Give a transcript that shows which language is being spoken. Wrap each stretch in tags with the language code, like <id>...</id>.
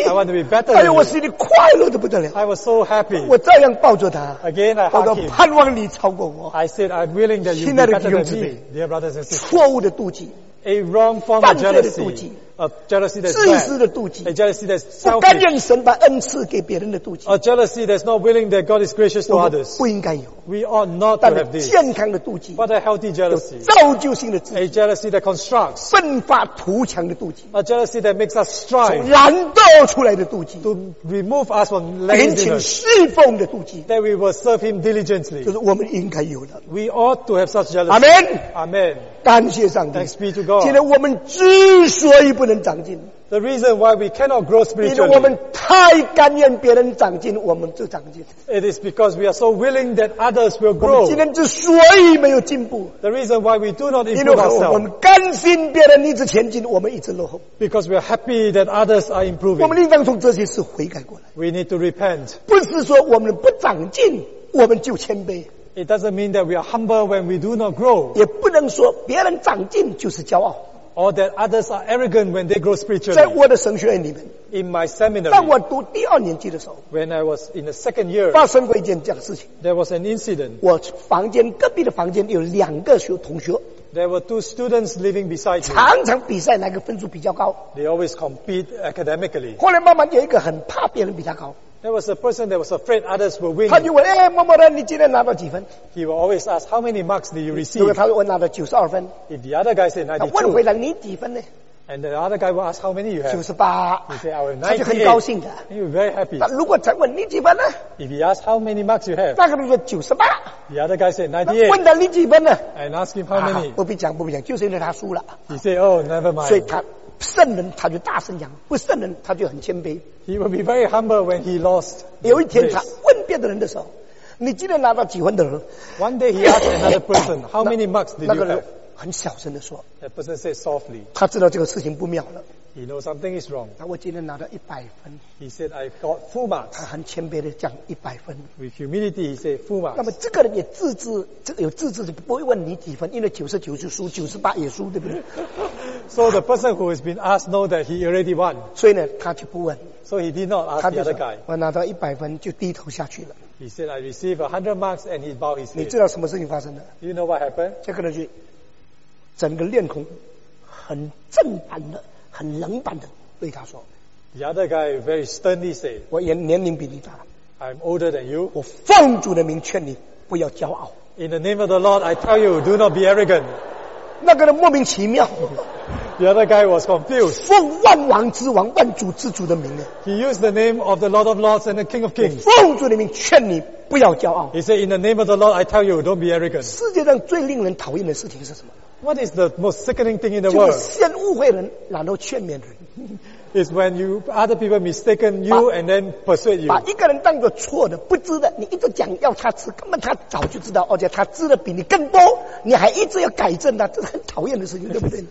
<en>I want to be better than you.</en> <zh>我心里快乐得不得了。</zh> <en>I was so happy.</en> <zh>我照样抱着他。</zh> <en>Again, I hug him.</en> <zh>我说盼望你超过我。</zh> <en>I said I'm willing that you be better than me. Dear brothers and sisters.</en> <zh>错误的妒忌。</zh> <en>A wrong form of jealousy.</en> <zh>犯罪的妒忌。</zh> <en>Jealousy that's bad.</en> <zh>自私的妒忌。</zh> <en>A jealousy that's selfish.</en> <zh>不甘愿神把恩赐给别人的妒忌。</zh> <en>A jealousy that's not willing that God is gracious to others.</en> <zh>不应该有。</zh> <en>We ought not to have this.</en> <zh>但是健康的妒忌。</zh> <en>But a healthy jealousy.</en> <zh>有造就性的妒忌。</zh> <en>A jealousy that constructs.</en> <zh>奋发图强的妒忌。</zh> <en>A jealousy that makes us strive.</en> <zh>从懒惰出来的妒忌。</zh> <en>To remove us from laziness.</en> <zh>殷勤侍奉的妒忌。</zh> <en>That we will serve him diligently.</en> <zh>就是我们应该有的。</zh> <en>We ought to have such jealousy. Amen. Amen.</en> <zh>感谢上帝。</zh> <en>Thanks be to God.</en> <zh>今天我们之所以不能长进。</zh> <en>The reason why we cannot grow spiritually.</en> <zh>因为我们太甘愿别人长进，我们就长进。</zh> <en>It is because we are so willing that others will grow.</en> <zh>我们今天之所以没有进步。</zh> <en>The reason why we do not improve ourselves.</en> <zh>因为我们甘心别人一直前进，我们一直落后。</zh> <en>Because we are happy that others are improving.</en> <zh>我们应当从这些事悔改过来。</zh> <en>We need to repent.</en> <zh>不是说我们不长进，我们就谦卑。</zh> <en>It doesn't mean that we are humble when we do not grow.</en> <zh>也不能说别人长进就是骄傲。</zh> <en>Or that others are arrogant when they grow spiritually.</en> <zh>在我的神学院里面。</zh> <en>In my seminary.</en> <zh>当我读第二年级的时候。</zh> <en>When I was in the second year.</en> <zh>发生过一件这样的事情。</zh> <en>There was an incident.</en> <zh>我房间隔壁的房间有两个学同学。</zh> <en>There were two students living beside me.</en> <zh>常常比赛哪个分数比较高。</zh> <en>They always compete academically.</en> <zh>后来慢慢有一个很怕别人比他高。</zh> <en>There was a person that was afraid others will win.</en> <zh>他就问，哎，某某人，你今天拿到几分？</zh> <en>He will always ask, how many marks did you receive?</en> <zh>如果他说我拿到92分。</zh> <en>If the other guy said 92.</en> <zh>他问回来你几分呢？</zh> <en>And the other guy will ask, how many you have? 98. He said, I have 98.</en> <zh>他就很高兴的。</zh> <en>He was very happy.</en> <zh>那如果再问你几分呢？</zh> <en>If he asked, how many marks you have?</en> <zh>大概说98。</zh> <en>The other guy said 98.</en> <zh>问到你几分呢？</zh> <en>And ask him how many.</en> <zh>不必讲，不必讲，就是因为他输了。</zh> <en>He said, oh, never mind.</en> <zh>所以他圣人他就大声讲，不圣人他就很谦卑。</zh> <en>He will be very humble when he lost.</en> <zh>有一天他问别的人的时候，你今天拿到几分的人</zh> <en>？One day he asked another person, "How many marks did you have?"</en> <zh>很小声的说。</zh> <en>That person said softly.</en> <zh>他知道这个事情不妙了。</zh> <en>He knows something is wrong.</en> <zh>我今天拿到100分。</zh> <en>He said I got full marks.</en> <zh>他很谦卑的讲100分。</zh> <en>With humility, he said full marks.</en> <zh>那么这个人也自知，这个有自知就不会问你几分，因为99就输，98也输，对不对？</zh> <en>So the person who has been asked know that he already won.</en> <zh>所以呢，他就不问。</zh> <en>So he did not ask the other guy.</en> <zh>我拿到100分就低头下去了。</zh> <en>He said I received 100 marks and he bowed his head.</en> <zh>你知道什么事情发生了？</zh> <en>You know what happened?</en> <zh>这个人就整个脸孔很正版的，很冷板的对他说。</zh> <en>The other guy very sternly said.</en> <zh>我年龄比你大。</zh> <en>I'm older than you.</en> <zh>我奉主的名劝你不要骄傲。</zh> <en>In the name of the Lord, I tell you, do not be arrogant.</en> <zh>那个人莫名其妙。</zh> <en>The other guy was confused.</en> <zh>奉万王之王、万主之主的名呢。</zh> <en>He used the name of the Lord of Lords and the King of Kings.</en> <zh>奉主的名劝你不要骄傲。</zh> <en>He said, in the name of the Lord, I tell you, don't be arrogant.</en> <zh>世界上最令人讨厌的事情是什么？</zh> <en>What is the most sickening thing in the world?</en> <zh>就是先误会人，然后劝勉人。</zh> <en>Is when you other people mistaken you and then persuade you.</en> <zh>把一个人当作错的、不知的，你一直讲要他知，根本他早就知道，而且他知的比你更多，你还一直要改正他，这是很讨厌的事情，对不对？</zh>